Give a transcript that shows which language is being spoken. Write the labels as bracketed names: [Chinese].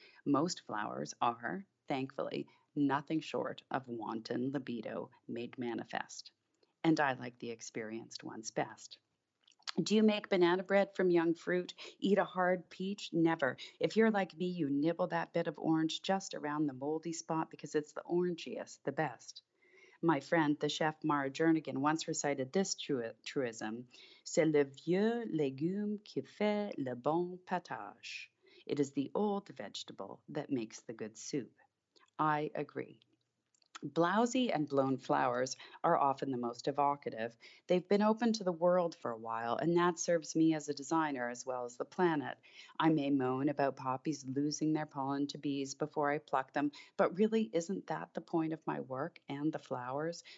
[English] Most flowers are, thankfully, nothing short of wanton libido made manifest. And I like the experienced ones best. Do you make banana bread from young fruit? Eat a hard peach? Never. If you're like me, you nibble that bit of orange just around the moldy spot because it's the orangiest, the best. My friend, the chef Mara Jernigan, once recited this truism: [French] c'est le vieux légume qui fait le bon potage. [English] It is the old vegetable that makes the good soup. I agree. Blousy and blown flowers are often the most evocative. They've been open to the world for a while, and that serves me as a designer as well as the planet. I may moan about poppies losing their pollen to bees before I pluck them, but really isn't that the point of my work and the flowers?